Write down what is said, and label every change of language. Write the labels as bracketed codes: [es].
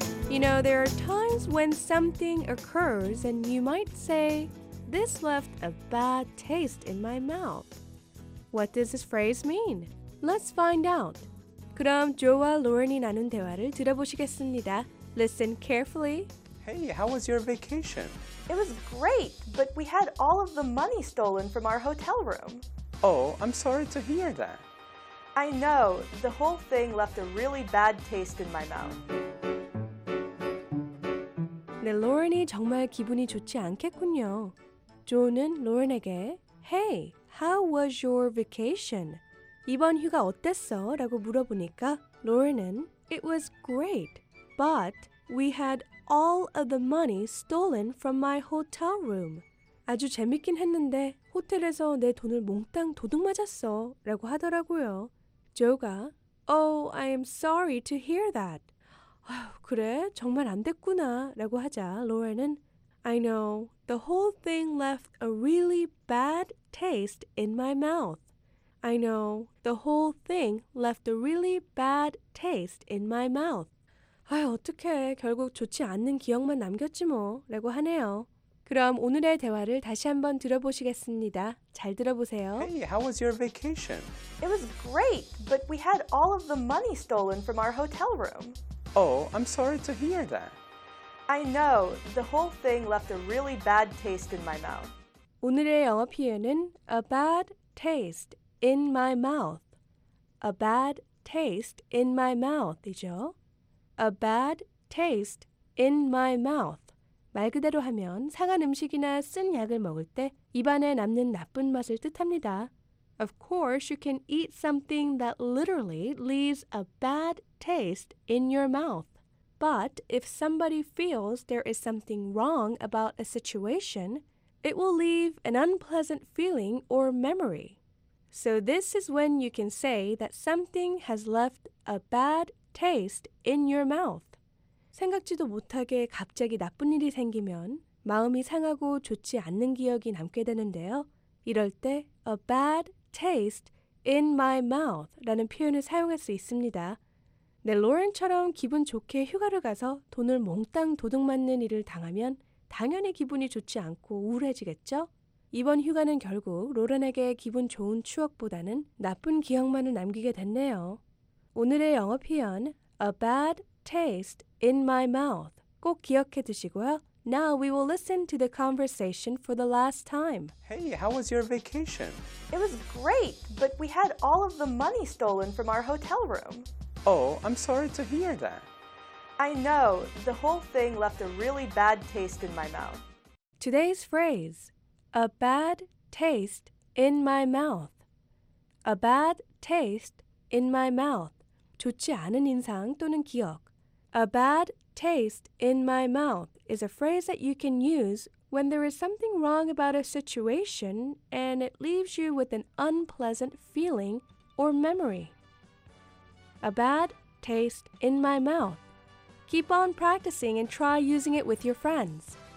[en] You know, there are times when something occurs and you might say, this left a bad taste in my mouth. What does this phrase mean? Let's find out. [ko] 그럼 조와 로런이 나눈 대화를 들어보시겠습니다. [en] Listen carefully. Hey, how was your vacation? It was great, but we had all of the money stolen from our hotel room. Oh, I'm sorry to hear that. I know, the whole thing left a really bad taste in my mouth. [ko] 네, 로런이 정말 기분이 좋지 않겠군요. 존은 로런에게 [en] Hey, how was your vacation? [ko] 이번 휴가 어땠어? 라고 물어보니까 로런은 [en] It was great, but we had all of the money stolen from my hotel room. [ko] 아주 재밌긴 했는데 호텔에서 내 돈을 몽땅 도둑 맞았어 라고 하더라고요. 조가 [en] Oh, I am sorry to hear that. [ko] 그래? 정말 안 됐구나 라고 하자 로렌은 [en] I know. The whole thing left a really bad taste in my mouth. I know. The whole thing left a really bad taste in my mouth. [ko] 어떡해. 결국 좋지 않는 기억만 남겼지 뭐 라고 하네요. 그럼 오늘의 대화를 다시 한번 들어보시겠습니다. 잘 들어보세요. [en] Hey, how was your vacation? It was great, but we had all of the money stolen from our hotel room. Oh, I'm sorry to hear that. I know. The whole thing left a really bad taste in my mouth. [ko] 오늘의 영어 표현은 [en] a bad taste in my mouth. A bad taste in my mouth이죠. A bad taste in my mouth. [ko] 말 그대로 하면 상한 음식이나 쓴 약을 먹을 때 입안에 남는 나쁜 맛을 뜻합니다. [en] Of course, you can eat something that literally leaves a bad taste in your mouth. But if somebody feels there is something wrong about a situation, it will leave an unpleasant feeling or memory. So this is when you can say that something has left a bad taste in your mouth. [ko] 생각지도 못하게 갑자기 나쁜 일이 생기면 마음이 상하고 좋지 않는 기억이 남게 되는데요. 이럴 때 [en] a bad taste in my mouth [ko] 라는 표현을 사용할 수 있습니다. 네, 로렌처럼 기분 좋게 휴가를 가서 돈을 몽땅 도둑맞는 일을 당하면 당연히 기분이 좋지 않고 우울해지겠죠? 이번 휴가는 결국 로렌에게 기분 좋은 추억보다는 나쁜 기억만을 남기게 됐네요. 오늘의 영어 표현 [en] a bad taste in my mouth. [ko] 꼭 기억해 두시고요. [en] Now we will listen to the conversation for the last time. Hey, how was your vacation? It was great, but we had all of the money stolen from our hotel room. Oh, I'm sorry to hear that. I know. The whole thing left a really bad taste in my mouth. Today's phrase, a bad taste in my mouth. A bad taste in my mouth. [ko] 좋지 않은 인상 또는 기억. [en] A bad taste in my mouth is a phrase that you can use when there is something wrong about a situation and it leaves you with an unpleasant feeling or memory. A bad taste in my mouth. Keep on practicing and try using it with your friends.